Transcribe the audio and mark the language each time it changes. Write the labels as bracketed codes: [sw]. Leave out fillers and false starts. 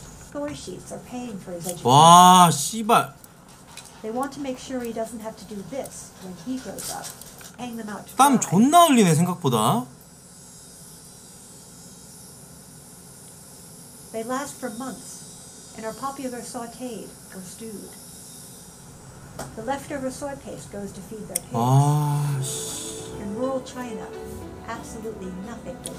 [en] Story sheets are paying for his education. [ko] 와, 씨발. [en] They want to make sure he doesn't have to do this when he grows up. Hang them out. [ko] 땀 존나 흘리네 생각보다. [en] They last for months and are popular sautéed or stewed. The leftover soy paste goes to feed their pigs. In rural China, absolutely nothing gets